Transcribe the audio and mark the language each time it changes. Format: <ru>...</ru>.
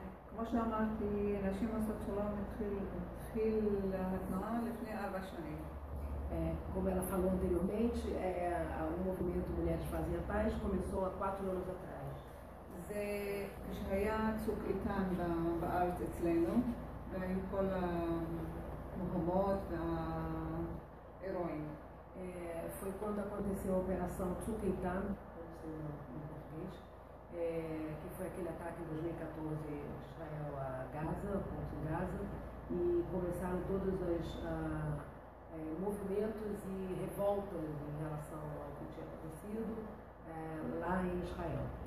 <he>כמו שאמרתי, נשים עושות שלום התחיל התנועה לפני 4 שנים.</he> <pt>Como ela falou anteriormente, o movimento Mulheres Fazem a Paz começou há 4 anos atrás.</pt> <he>זה כשהיה צוק איתן בארץ אצלנו, והיו כל המוהמות והאירועים.</he> <pt>Foi quando aconteceu a operação Tsuk Itan, como se chama em português, que foi aquele ataque em 2014 em Israel a Gaza, ao ponto de Gaza, e começaram todos os movimentos e revoltas em relação ao que tinha acontecido lá em Israel.</pt>